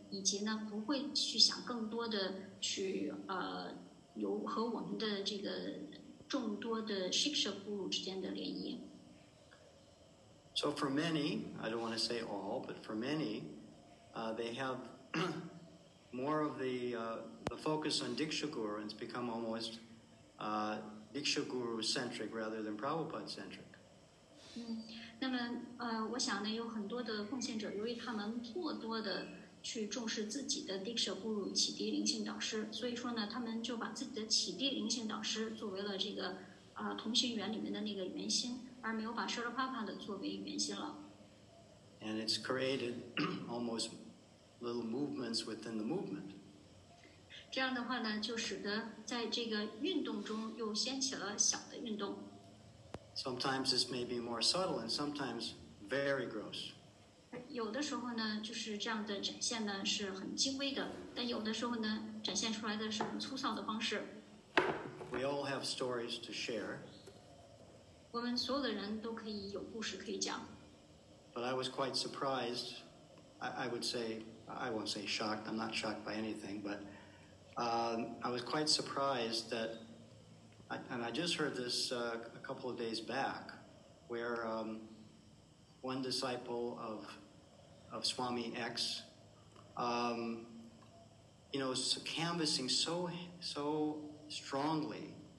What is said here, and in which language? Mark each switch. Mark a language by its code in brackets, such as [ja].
[zh] 以及呢，不会去想更多的去和我们的这个众多的Shiksha Guru之间的联谊。 [en] So for many, I don't want to say all, but for many, they have more of the focus on Diksha Guru, and it's become almost Diksha Guru centric rather than Prabhupada centric. [zh] 那么我想呢，有很多的奉献者，由于他们过多的去重视自己的 Diksha Guru 启迪灵性导师，所以说呢他们就把自己的启迪灵性导师作为了这个同心圆里面的那个圆心，而没有把 Sharapapa 的作为圆心了。 [en] And it's created almost little movements within the movement. [zh] 这样的话呢就使得在这个运动中又掀起了小的运动。 [en] Sometimes this may be more subtle and sometimes very gross. [zh] 有的时候呢就是这样的展现呢是很精微的，但有的时候呢展现出来的是很粗糙的方式。 [en] We all have stories to share. [zh] 我们所有的人都可以有故事可以讲。 [en] But I was quite surprised, I would say, I won't say shocked, I'm not shocked by anything, but I was quite surprised that, and I just heard this a couple of days back, where one disciple of Swami X, you know, canvassing so strongly